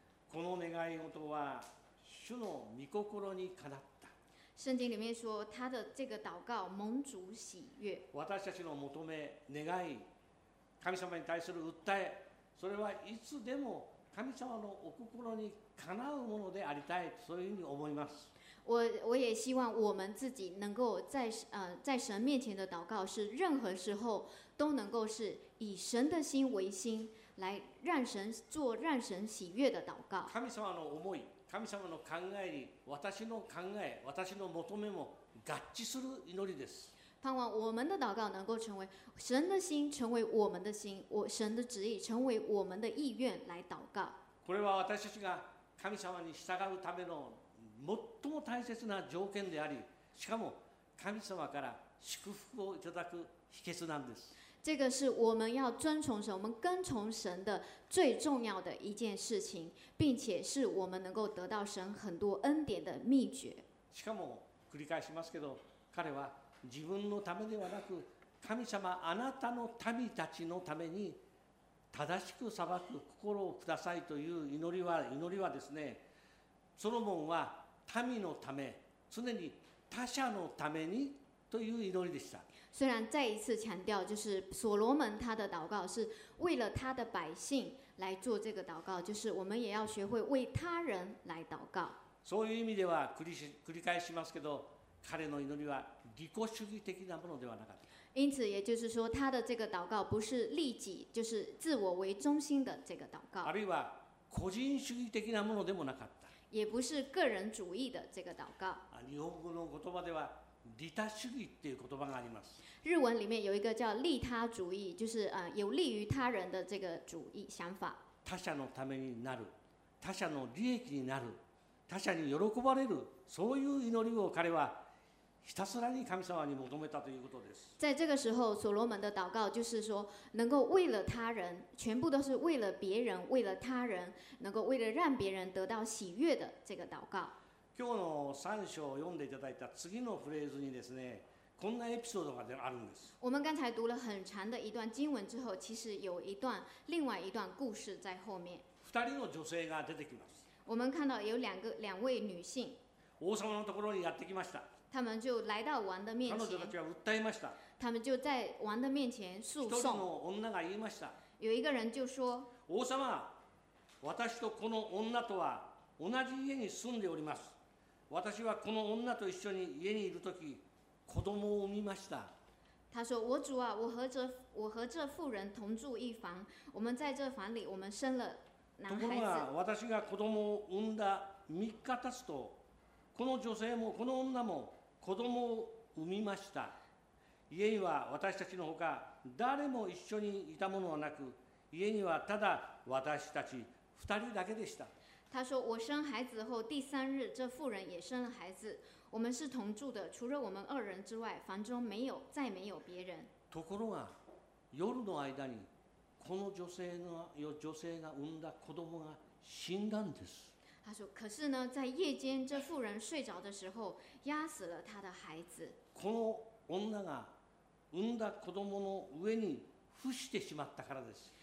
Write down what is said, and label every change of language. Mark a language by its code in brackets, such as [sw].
[ja] この願い事は主の御心にかなった。 [zh] 圣经里面说他的这个祷告蒙主喜悦。 [ja] 私たちの求め願い、神様に対する訴え、それはいつでも神様のお心にかなうものでありたい、そういうふうに思います。 [zh] 我也希望我们自己能够 在神面前的祷告是任何时候都能够是以神的心为心来让神做让神喜悦的祷告。 [ja] 神様の思い、神様の考えに私の考え、私の求めも合致する祈りです。 [zh] 盼望我们的祷告能够成为神的心，成为我们的心，神的旨意成为我们的意愿来祷告。 [ja] これは私たちが神様に従うための最も大切な条件であり、しかも神様から祝福をいただく秘訣なんです。 [zh] 这个是我们要遵从神、我们跟从神的最重要的一件事情，并且是我们能够得到神很多恩典的秘诀。 [ja] しかも繰り返しますけど、彼は自分のためではなく、神様あなたの民たちのために正しく裁く心をくださいという祈りはですね、ソロモンは民のため、常に他者のためにという祈りでした。 [zh] 虽然再一次强调，就是所罗门他的祷告是为了他的百姓来做这个祷告，就是我们也要学会为他人来祷告。 [ja] そういう意味では繰り返しますけど、彼の祈りは利己主義的なものではなかった。 [zh] 因此，也就是说，他的这个祷告不是利己，就是自我为中心的这个祷告。 [ja] あるいは個人主義的なものでもなかった。 [zh] 也不是个人主义的这个祷告。 [ja] 日本語の言葉では利他主義っていう言葉があります。 [zh] 日文里面有一个叫利他主义，就是有利于他人的这个主义想法。 [ja] 他者のためになる、他者の利益になる、他者に喜ばれる、そういう祈りを彼はひたすらに神様に求めたということです。 [zh] 在这个时候，所罗门的祷告就是说，能够为了他人，全部都是为了别人，为了他人，能够为了让别人得到喜悦的这个祷告。 [ja] 今日の三章を読んでいただいた次のフレーズにですね、こんなエピソードがあるんです。 [zh] 我们刚才读了很长的一段经文之后，其实有一段另外一段故事在后面。 [ja] 二人の女性が出てきます。 [zh] 我们看到有两位女性。 [ja] 王様のところにやってきました。 [zh] 他们就来到王的面前。 [ja] 彼女たちは訴えました。 [zh] 他们就在王的面前诉讼。 [ja] 一人の女が言いました。 [zh] 有一个人就说。 [ja] 王様、私とこの女とは同じ家に住んでおります。私はこの女と一緒に家にいるとき、子供を産みました。 [zh] 他说：“我主啊，我和这妇人同住一房，我们在这房里，我们生了男孩子。” [ja] ところが、私が子供を産んだ3日経つと、この女性もこの女も子供を産みました。家には私たちのほか誰も一緒にいたものはなく、家にはただ私たち2人だけでした。 [zh] 他说：“我生孩子后第三日，这妇人也生了孩子。我们是同住的，除了我们二人之外，房中再没有别人。” [ja] ところが、夜の間にこの女性が産んだ子供が死んだんです。 [zh] 他说：“可是呢，在夜间，这妇人睡着的时候，压死了她的孩子。” [ja] この女が産んだ子供の上に伏してしまったからです。